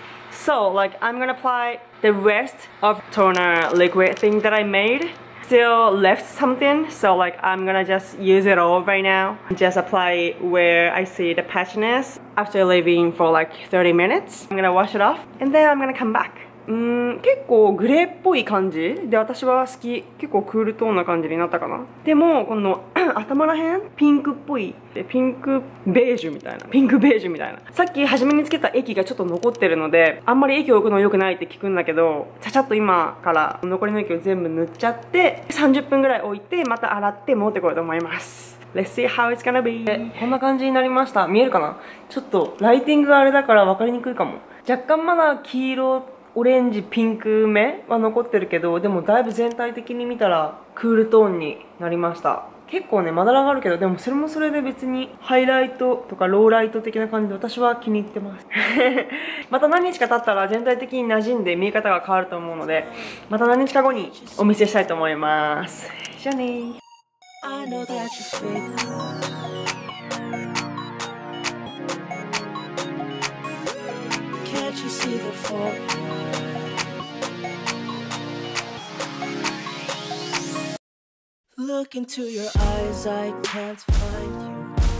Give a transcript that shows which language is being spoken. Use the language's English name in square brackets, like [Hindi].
[English] So like I'm gonna apply the rest of toner liquid thing that I made. Still left something, so like I'm gonna just use it all right now. Just apply where I see the patchiness after leaving for like 30 minutes. I'm gonna wash it off and then I'm gonna come back. [Japanese] 結構グレーっぽい感じで、私は好き。結構クールトーンな感じになったかな。でもこの頭らへんピンクっぽい、でピンクベージュみたいな、ピンクベージュみたいな、さっき初めにつけた液がちょっと残ってるので、あんまり液を置くの良くないって聞くんだけど、ちゃちゃっと今から残りの液を全部塗っちゃって、30分ぐらい置いてまた洗って持ってこようと思います。 [English] Let's see how it's gonna be。 [Japanese] こんな感じになりました。見えるかな。ちょっとライティングがあれだから分かりにくいかも。若干まだ黄色、オレンジ、ピンク目は残ってるけど、でもだいぶ全体的に見たらクールトーンになりました。結構ね、まだらがあるけど、でもそれもそれで別にハイライトとかローライト的な感じで私は気に入ってますまた何日か経ったら全体的に馴染んで見え方が変わると思うので、また何日か後にお見せしたいと思います。じゃあねー。 [English] I know that you feel Can't you see the fallLook into your eyes, I can't find you.